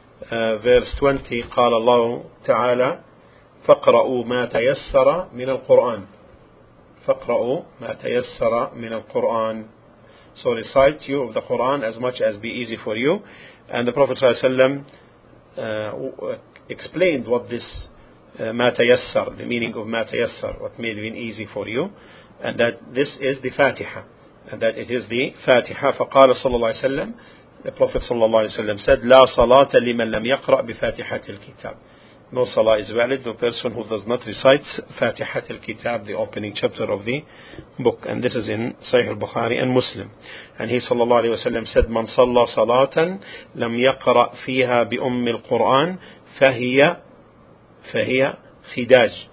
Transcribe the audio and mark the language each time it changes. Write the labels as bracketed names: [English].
[English] Verse 20, [Arabic] قال الله تعالى فقرأوا ما تيسر من القرآن. فقرأوا ما تيسر من القرآن. [English] So recite you of the Quran as much as be easy for you. And the Prophet ﷺ explained what this [Arabic] ما تيسر, [English] the meaning of ما تيسر, what may have been easy for you, and that this is the Fatiha, and that it is the Fatiha. [Arabic] فقال صلى الله عليه وسلم, [English] the Prophet ﷺ said, [Arabic] لا صلاة لمن لم يقرأ بفاتحة الكتاب. [English] No salah is valid, no person who does not recite [Arabic] فاتحة الكتاب, [English] the opening chapter of the book. And this is in Sahih al-Bukhari and Muslim. And he ﷺ said, [Arabic] من صلى صلاة لم يقرأ فيها بأم القرآن فهي خداج.